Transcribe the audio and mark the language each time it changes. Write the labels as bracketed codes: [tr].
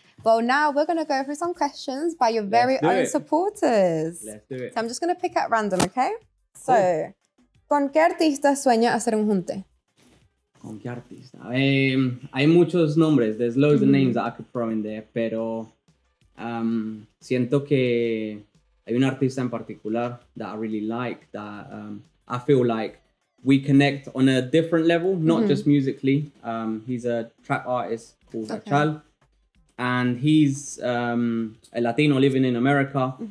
[en] Well, now we're going to go through some questions by your supporters. Let's do it. So I'm just going to pick at random, okay? [es] So, ¿con qué artista sueña hacer un junte? ¿Con qué artista? Hay muchos nombres. [en] There's loads of names that I could throw in there. [es] Pero siento que hay un artista en particular [en] that I really like, that I feel like we connect on a different level, not just musically. He's a trap artist called Hachal. And he's a Latino living in America.